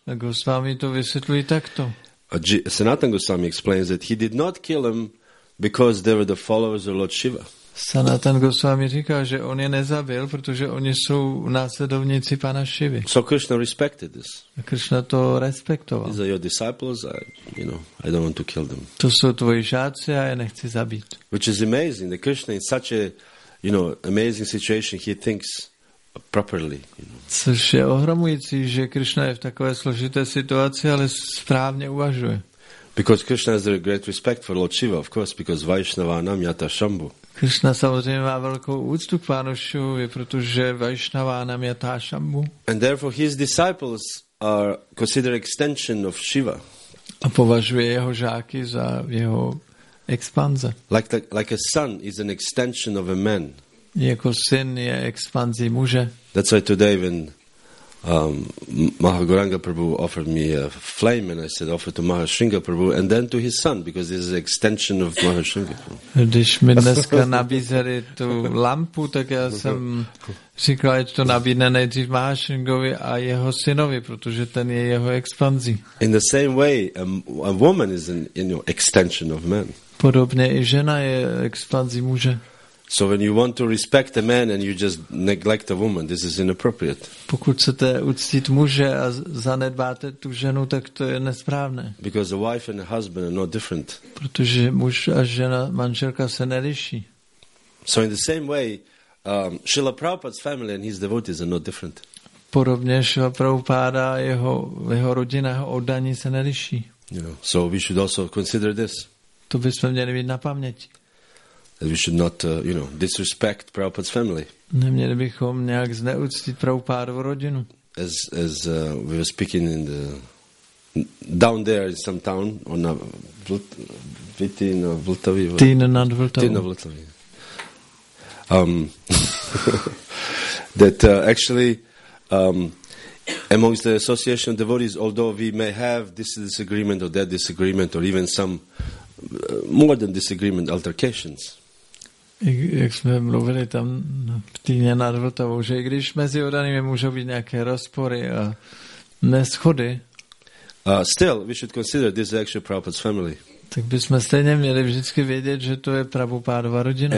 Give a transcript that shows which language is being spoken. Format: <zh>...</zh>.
<cs>A Goswami to vysvětlují takto.</cs> <en>Sanatana Goswami explains that he did not kill them because they were the followers of Lord Shiva.</en> <cs>Sanatana Goswami říká, že on je nezabil, protože oni jsou následovníci pana Šivy.</cs> <en>So Krishna respected this.</en> <cs>A Krishna to respektoval.</cs> <en>These are your disciples, I don't want to kill them.</en> <cs>To jsou tvoji žáci a já nechci zabít.</cs> <en>Which is amazing. The Krishna in such a, you know, amazing situation, he thinks properly.</en> <cs>Což je ohromující, že Krishna je v takové složité situaci, ale správně uvažuje.</cs> <en>Because Krishna has a great respect for Lord Shiva, of course, because Vaishnava nam yata shambhu.</en> <cs>Krishna samozřejmě má velkou úctu k pánu Šivovi, protože Vaishnava nam yata shambhu.</cs> <en>And therefore his disciples are considered extension of Shiva.</en> <cs>A považuje jeho žáky za jeho expanze.</cs> <en>Like a son is an extension of a man.</en> <cs>Jako syn je expanzí muže.</cs> <en>That's why today when Mahaguranga Prabhu offered me a flame and I said offer to Mahashringa Prabhu and then to his son because this is an extension of Mahashringa Prabhu.</en> <cs>Když mi dneska nabízeli tu lampu, tak já jsem říkal, že to nabídne nejdřív Mahashringovi a jeho synovi, protože ten je jeho expanzí.</cs> <en>In the same way, a woman is an extension of man.</en> <cs>Podobně i žena je expanzí muže.</cs> <en>So when you want to respect a man and you just neglect a woman, this is inappropriate.</en> <cs>Pokud chcete uctít muže a zanedbáte tu ženu, tak to je nesprávné.</cs> <en>Because a wife and a husband are not different.</en> <cs>Protože muž a žena, manželka se neliší.</cs> <en>So in the same way, Srila Prabhupada's family and his devotees are not different.</en> <cs>Podobně Srila Prabhupada a jeho rodina, jeho oddaní se neliší.</cs> <en>You know, so we should also consider this.</en> <cs>To bychom měli mít na paměti.</cs> <en>That we should not, disrespect Prabhupada's family.</en> <cs>Neměli bychom nějak zneuctit Prabhupádovu rodinu.</cs> <en>As we were speaking in the down there in some town on a Vitin or Vltavi.</en> <cs>Tina nad Vltavou.</cs> <en>Amongst the association of devotees, although we may have this disagreement or that disagreement or even some more than disagreement altercations.</en> <cs>Jak jsme mluvili tam v Týně nad Vltavou, že i když mezi oddanými můžou být nějaké rozpory a neschody,</cs> <en>still we should consider this actually Prabhupada's family.</en> <cs>Tak bychom stejně měli vždycky vědět, že to je Prabhupádova rodina.</cs>